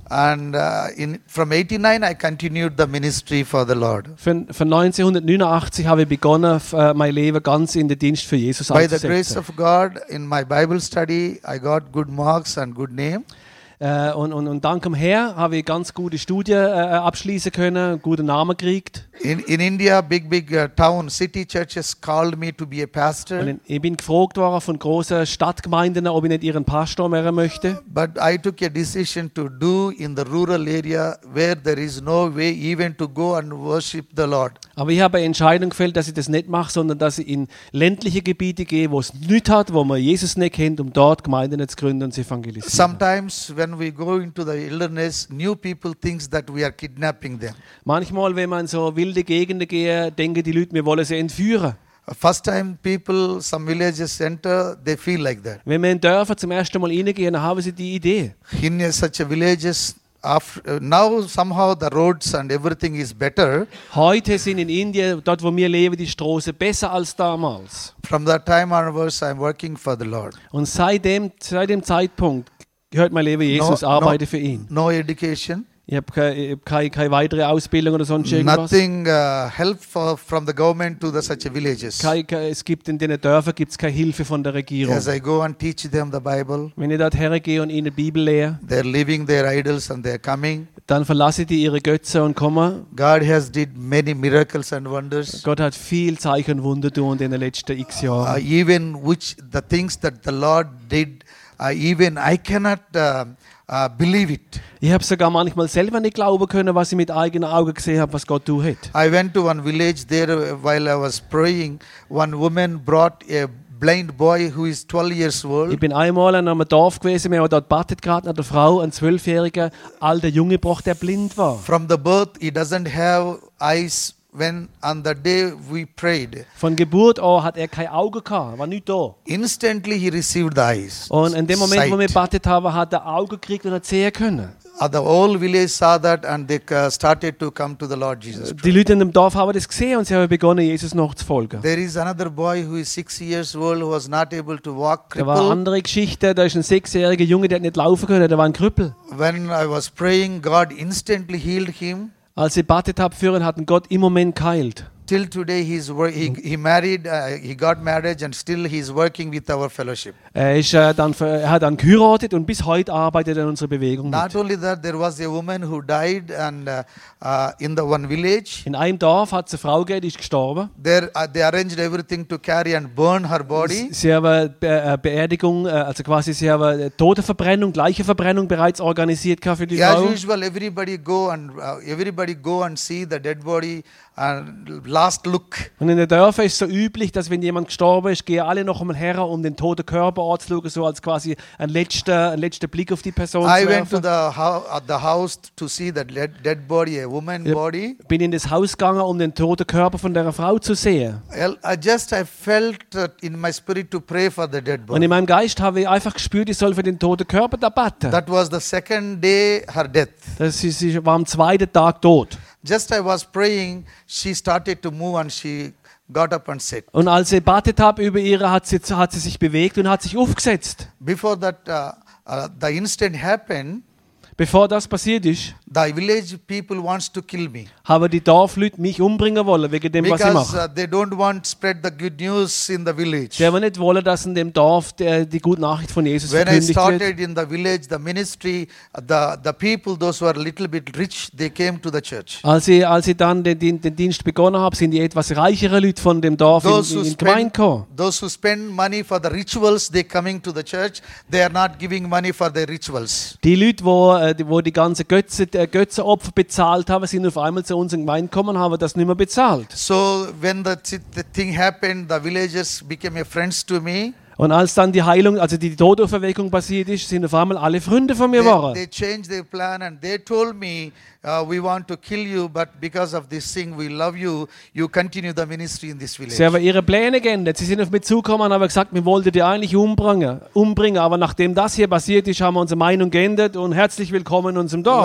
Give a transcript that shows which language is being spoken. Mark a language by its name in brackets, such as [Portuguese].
[English] And from 89 I continued the ministry for the Lord. [German] Von 1989 habe ich begonnen, mein Leben ganz in den Dienst für Jesus einzusetzen. [English] By the grace of God, in my Bible study, I got good marks and good name. [German] Und dank dem Herr habe ich ganz gute Studien abschließen können, einen guten Namen gekriegt. [English] In India, big town, city churches called me to be a pastor. [German] Und ich bin gefragt worden von großen Stadtgemeinden, ob ich nicht ihren Pastor werden möchte. [English] But I took a decision to do in the rural area where there is no way even to go and worship the Lord. [German] Aber ich habe eine Entscheidung gefällt, dass ich das nicht mache, sondern dass ich in ländliche Gebiete gehe, wo es nichts hat, wo man Jesus nicht kennt, um dort Gemeinden zu gründen und zu evangelisieren. [English] Sometimes when we go into the wilderness, new people think that we are kidnapping them. [German] Manchmal, wenn man so wilde Gegenden gehe, denken die Leute, wir wollen sie entführen. [English] First time people, some villages enter, they feel like that. [German] Wenn wir in Dörfer zum ersten Mal reingehen, dann haben sie die Idee. [English] In such a villages, now somehow the roads and everything is better. [German] Heute sind in Indien, dort wo wir leben, die Straßen besser als damals. [English] From that time onwards, I'm working for the Lord. [German] Und seit dem Zeitpunkt gehört mein Leben Jesus, arbeite für ihn. [English] No education. [German] Ich habe keine weitere Ausbildung oder sonst irgendwas. [English] Nothing help from the government to the such villages. [German] Es gibt in den Dörfern gibt's keine Hilfe von der Regierung. [English] As I go and teach them the Bible. [German] Wenn ich dort hergehe und ihnen die Bibel lehre. [English] They're leaving their idols and they're coming. [German] Dann verlasse die ihre Götze und komme. [English] God has did many miracles and wonders. [German] Gott hat viel Zeichen und Wunder tun in den letzten X Jahren. [English] Even which the things that the Lord did, even I cannot. Believe it. [German] Ich habe sogar manchmal selber nicht glauben können, was ich mit eigenen Augen gesehen habe, was Gott tun hat. [English] I went to one village there while I was praying. One woman brought a blind boy who is 12 years old. [German] Ich bin einmal in einem Dorf gewesen, wir haben dort betet gerade, eine Frau, ein 12-jähriger alter Junge braucht, der blind war. [English] From the birth he doesn't have eyes. When on the day we prayed, [German] von Geburt an hat er kein Auge gehabt, war nicht da. [English] Instantly he received the eyes. [German] Und in dem Moment, wo wir betet haben, hat er Auge gekriegt und hat sehen können. [English] The whole village saw that and they started to come to the Lord Jesus [German] Christ. Die Leute in dem Dorf haben das gesehen und sie haben begonnen, Jesus nachzufolgen. [English] There is another boy who is 6 years old who was not able to walk. [German] Da war eine andere Geschichte. Da ist ein 6-jähriger Junge, der hat nicht laufen können. Der war ein Krüppel. [English] When I was praying, God instantly healed him. [German] Als ich betet habe für ihn, hat Gott im Moment geheilt. [English] Till today he's he got married and still he's working with our fellowship. [German] Er hat dann geheiratet und bis heute arbeitet er in unserer Bewegung. [English] Not only that, there was a woman who died and in the one village. [German] In einem Dorf hat's eine Frau gehabt, die ist gestorben. [English] They arranged everything to carry and burn her body. [German] Sie haben Beerdigung, also quasi sie haben Totenverbrennung, Leicheverbrennung bereits organisiert für die Frau. [English] As usual, everybody go and see the dead body. last look. [German] Und in den Dörfern ist es so üblich, dass wenn jemand gestorben ist, gehen alle noch einmal her, um den toten Körper anzuschauen, so als quasi ein letzter Blick auf die Person zu werfen. [English] I went to the house to see the dead body, a woman body. [German] Bin in das Haus gegangen, um den toten Körper von der Frau zu sehen. [English] I felt in my spirit to pray for the dead body. [German] Und in meinem Geist habe ich einfach gespürt, ich soll für den toten Körper da beten. [English] That was the second day her death. [German] Das ist, sie war am zweiten Tag tot. [English] Just I was praying, she started to move and she got up and sat. [German] Und als ich betet habe über ihre, hat sie sich bewegt und hat sich aufgesetzt. [English] Before that the incident happened, [German] bevor das passiert ist, [English] the village people wants to kill me. [German] Haben die Dorfleute mich umbringen wollen wegen dem, [English] because, [German] was ich mache. [English] They don't want to spread the good news in the village. [German] Sie haben nicht wollen, dass in dem Dorf die gute Nachricht von Jesus [English] when [German] verkündigt wird. [English] When I started in the village, the ministry, the people, those who are a little bit rich, they came to the church. [German] Als ich dann den Dienst begonnen habe, sind die etwas reichere Leute von dem Dorf in die Gemeinde gekommen. [English] Those who spend money for the rituals, they coming to the church. They are not giving money for their rituals. [German] Die Leute, wo die ganze Götzenopfer bezahlt haben, sind auf einmal zu uns in Gemeinde gekommen und haben das nicht mehr bezahlt. [English] So, when the thing happened, the villagers became friends to me. [German] Und als dann die Heilung, also die Todauferweckung passiert ist, sind auf einmal alle Freunde von mir geworden. [English] They changed their plan and they told me, we want to kill you, but because of this thing, we love you, you continue the ministry in this village. [German] Sie haben ihre Pläne geändert. Sie sind auf mich zugekommen und haben gesagt, wir wollten dich eigentlich umbringen. Aber nachdem das hier passiert ist, haben wir unsere Meinung geändert und herzlich willkommen in unserem Dorf.